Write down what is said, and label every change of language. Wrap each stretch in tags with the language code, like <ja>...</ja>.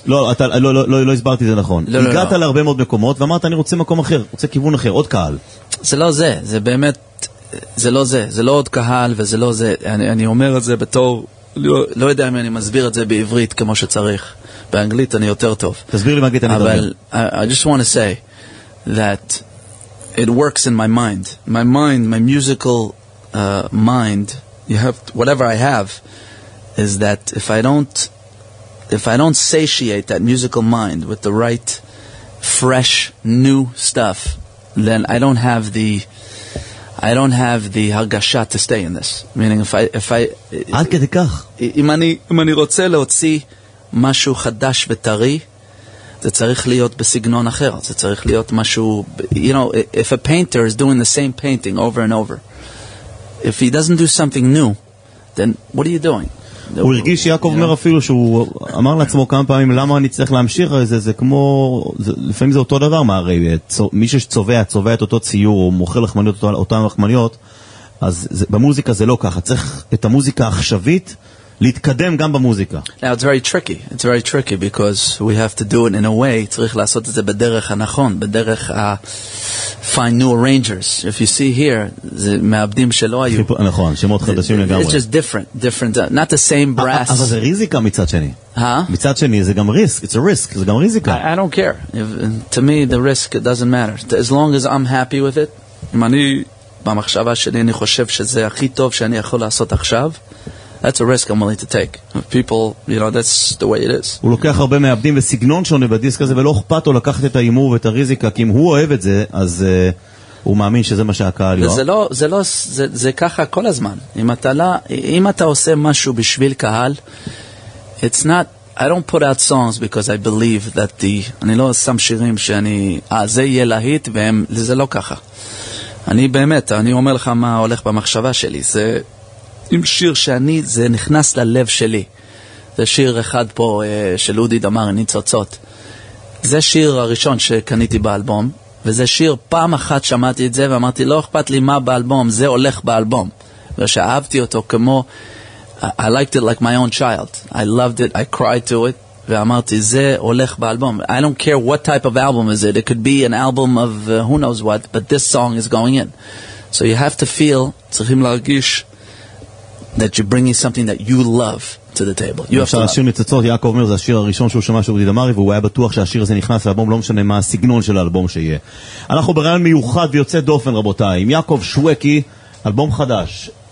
<he>לא, אתה, לא, לא, לא הסברתי זה נכון. הגעת להרבה מאוד מקומות, ואמרת, אני רוצה מקום אחר, רוצה כיוון אחר, עוד קהל. זה לא זה, זה באמת... זה לא זה, זה לא עוד קהל, וזה לא זה. אני אומר את זה בתור, לא יודע אם אני מסביר את זה בעברית כמו שצריך. באנגלית אני יותר טוב. תסביר לי באנגלית אני מדבר. אבל</he> <en>I just want to say that it works in my mind. My mind, my musical mind, you have whatever I have is that if I don't satiate that musical mind with the right fresh new stuff, then I don't have the הרגשה to stay in this. Meaning if I</en> <he>עד כדי כך. אם אני רוצה להוציא משהו חדש וטרי, זה צריך להיות בסגנון אחר. זה צריך להיות משהו,</he> <en>you know, if a painter is doing the same painting over and over, if he doesn't do something new, then what are you doing?</en> <he>הוא הרגיש יעקב אומר אפילו שהוא אמר לעצמו כמה פעמים, למה אני צריך להמשיך? זה כמו, לפעמים זה אותו דבר, מה הרי, מי שצובע, צובע את אותו ציור, או מוכר לחמניות אותן לחמניות, אז במוזיקה זה לא ככה, צריך את המוזיקה העכשווית להתקדם גם במוזיקה.</he> <en>Now it's very tricky because we have to do it in a way,</en> <he>צריך לעשות את זה בדרך הנכון, בדרך</he> <en>find new arrangers. If you see here,</en> <he>זה מעבדים שלא היו. נכון, שמות חדשים לגמרי.</he> <en>It's just different, not the same brass.</en> <he>אבל זה ריזיקה מצד שני. מצד שני זה גם risk,</he> <en>it's a risk,</en> <he>זה גם ריזיקה.</he> <en>I don't care. To me the risk doesn't matter. As long as I'm happy with it,</en> <he>אם אני במחשבה שלי אני חושב שזה הכי טוב שאני יכול לעשות עכשיו,</he> <en>that's a risk I'm willing to take. People, you know, that's the way it is.</en> <he>הוא לוקח הרבה מאבדים וסגנון שונה בדיסק הזה, ולא אכפת לו לקחת את האימור ואת הריזיקה, כי אם הוא אוהב את זה, אז הוא מאמין שזה מה שהקהל יאהב. זה ככה כל הזמן. אם אתה עושה משהו בשביל קהל,</he> <en>it's not, I don't put out songs because I believe that the,</en> <he>אני לא שם שירים שאני, זה יהיה להיט, וזה לא ככה. אני באמת, אני אומר לך מה הולך במחשבה שלי, זה עם שיר שאני, זה נכנס ללב שלי. זה שיר אחד פה של אודי דמר, ניצוצות. זה שיר הראשון שקניתי באלבום, וזה שיר, פעם אחת שמעתי את זה ואמרתי, לא אכפת לי מה באלבום, זה הולך באלבום. ושאהבתי אותו כמו,</he> <en>I liked it like my own child. I loved it, I cried to it,</en> <he>ואמרתי, זה הולך באלבום.</he> <en>I don't care what type of album is it. It could be an album of who knows what, but this song is going in. So you have to feel,</en> <he>צריכים להרגיש,</he> <en>that you bring something that you love to the table. You have to</en> <he>השיר ניצוצות, יעקב אומר, זה השיר הראשון שהוא שמע שאודי דמרי, והוא היה בטוח שהשיר הזה נכנס לאלבום, לא משנה מה הסגנון של האלבום שיהיה. אנחנו ברעיון מיוחד ויוצא דופן, רבותיי, עם יעקב שווקי, אלבום חדש.</he>